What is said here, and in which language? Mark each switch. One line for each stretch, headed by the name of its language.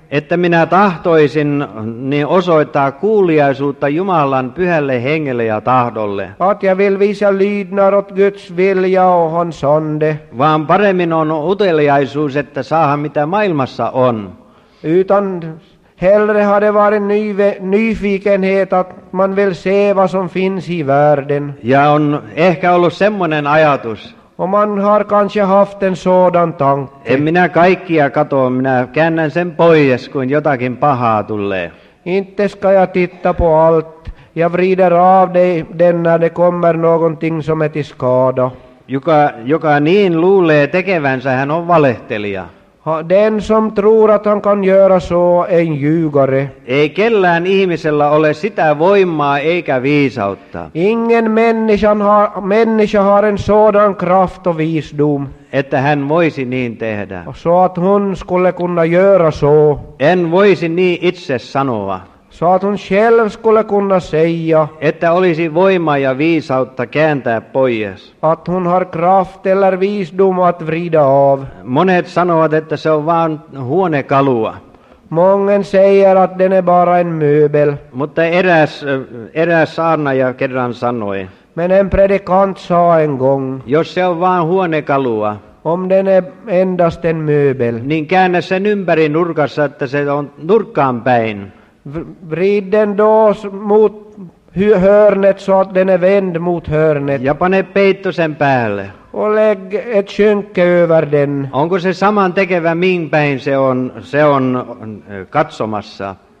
Finnish: Että minä tahtoisin niin osoittaa kuuliaisuutta Jumalan pyhälle hengelle ja tahdolle.
Swedish: Att jag vill visa lydnad åt Guds vilja och hans ande.
Finnish: Vaan paremmin on uteliaisuus, että saadaan mitä maailmassa on.
Swedish: Utan hellre hade varit nyfikenhet att man vill se vad som finns i världen.
Finnish: Ja on ehkä ollut semmoinen ajatus.
Swedish: Och man har kanske haft en sådan tanke.
Finnish: En minä kaikkia katoa, minä käännän sen pois, kun jotakin pahaa tulee.
Swedish: Inte ska jag titta på allt. Jag vrider av den när det kommer någonting som är till skada.
Finnish: Joka niin luulee tekevänsä, hän on valehtelija.
Swedish: Den som tror att han kan göra så är en ljugare.
Finnish: Ei kellään ihmisellä ole sitä voimaa eikä viisautta.
Swedish: Ingen människa har en sådan kraft och visdom.
Finnish: Että hän voisi niin tehdä.
Swedish: Så att hon skulle kunna göra så.
Finnish: En voisi niin itse sanoa.
Swedish: Så att hon själv skulle kunna säga.
Finnish: Että olisi voimaa ja viisautta kääntää pois.
Swedish: Att hon har kraft eller visdom att vrida av.
Finnish: Monet sanovat, että se on vaan huonekalua.
Swedish: Mången säger att den är bara en möbel.
Finnish: Mutta eräs saarnaja kerran sanoi.
Swedish: Men en predikant sa en gång.
Finnish: Jos se on vaan huonekalua.
Swedish: Om den är endast en möbel.
Finnish: Niin käännä sen ympäri nurkassa, että se on nurkkaan päin.
Swedish: Vrid den då mot hörnet så att den är vänd mot hörnet.
Finnish: Ja pane peitto sen päälle.
Swedish: Och lägg ett skynke över den.
Finnish: Onko se saman tekevä min päin se on katsomassa?